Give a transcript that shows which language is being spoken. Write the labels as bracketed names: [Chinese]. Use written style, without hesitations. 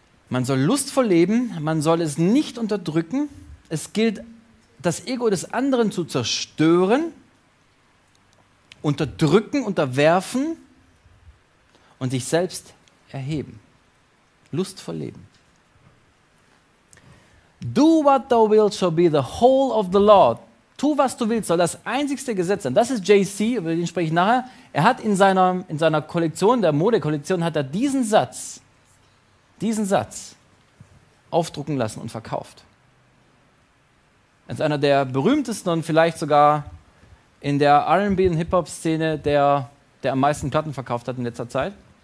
[German] Man soll lustvoll leben, man soll es nicht unterdrücken. Es gilt, das Ego des anderen zu zerstören, unterdrücken, unterwerfen und sich selbst erheben. Lustvoll leben. [English] Do what thou wilt shall be the whole of the law. [German] Tu, was du willst, soll das einzigste Gesetz sein. Das ist JC, über den spreche ich nachher. Er hat in seiner Kollektion, der Modekollektion, hat er diesen Satz aufdrucken lassen und verkauft. Er ist einer der berühmtesten und vielleicht sogar in der R&B- und Hip-Hop-Szene, der am meisten Platten verkauft hat in letzter Zeit.